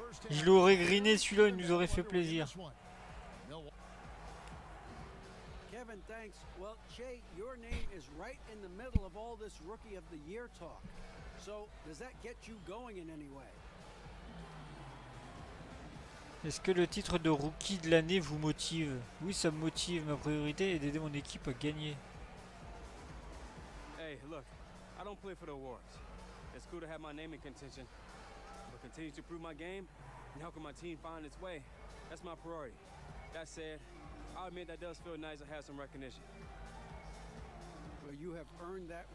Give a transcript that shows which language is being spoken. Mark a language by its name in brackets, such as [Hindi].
[French] Je l'aurais griné celui-là, il nous aurait fait plaisir. [English] Kevin, thanks. Well, Jay, your name is right in the middle of all this rookie of the year talk. So, does that get you going in any way? [French] Est-ce que le titre de rookie de l'année vous motive? Oui, ça me motive. Ma priorité est d'aider mon équipe à gagner. [English] Hey, look, I don't play for the awards. It's cool to have my name in contention. But continue to prove my game and help my team find its way. That's my priority. That said, I admit that does feel nice to have some recognition. Well, you have earned that.